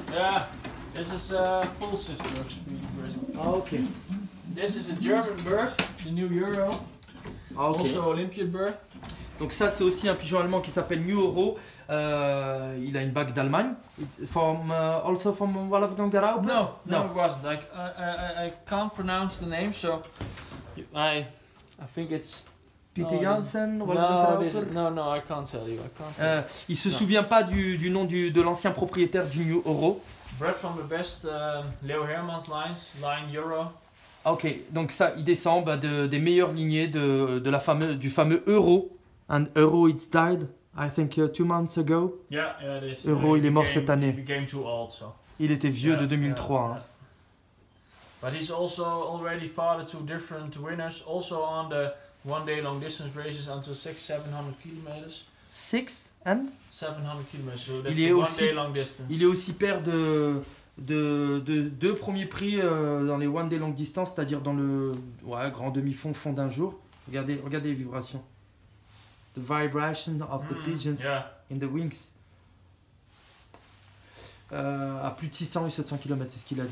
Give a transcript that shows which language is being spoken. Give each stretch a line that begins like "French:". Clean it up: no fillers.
English: Yeah, this is a full sister of Spidey Grazzle. Okay. This is a German bird, the new euro. Okay. Also Olympian bird.
French: Donc ça c'est aussi un pigeon allemand qui s'appelle New Euro. Il a une bague d'Allemagne.
English: Also from Wolfgang Garaub? No, it wasn't. Like I can't pronounce the name, so I think it's Peter Janssen. No, I can't tell you.
French: Il se souvient pas du nom de l'ancien propriétaire du New Euro.
English: Bred from the best Leo Hermans line Euro.
French: Ok, donc ça il descend des meilleures lignées du fameux Euro.
English: And Euro, it's died, I think, 2 months ago. Yeah, it is.
French: Euro, il est mort cette année.
English: He became too old, so.
French: Il était vieux de 2003. Yeah.
English: But he's also already fathered two different winners, also on the one day long distance races until 600-700 kilometers. 700 kilometers, so that's one day long distance.
French: Il est aussi père de deux premiers prix dans les
English: one day long distance,
French: c'est-à-dire dans le grand demi-fond d'un jour. Regardez les vibrations.
English: The vibration of the pigeons in the wings.
French: À plus de 600 ou 700 km, c'est ce qu'il a dit.